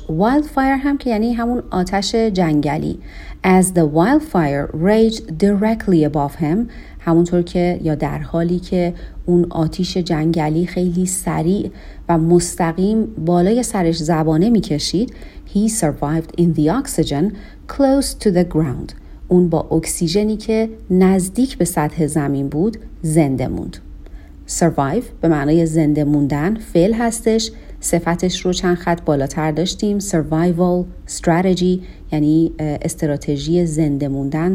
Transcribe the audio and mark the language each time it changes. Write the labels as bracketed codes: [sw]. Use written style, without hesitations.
[en] Wildfire [fa] هم که یعنی همون آتش جنگلی. [en] As the wildfire raged directly above him. [fa] همونطور که یا در حالی که اون آتش جنگلی خیلی سریع و مستقیم بالای سرش زبانه می کشید. [en] He survived in the oxygen close to the ground. [fa] اون با اکسیژنی که نزدیک به سطح زمین بود زنده موند. Survive به معنای زنده موندن فعل هستش. صفتش رو چند خط بالاتر داشتیم. [en] Survival strategy [fa] یعنی استراتژی زنده موندن.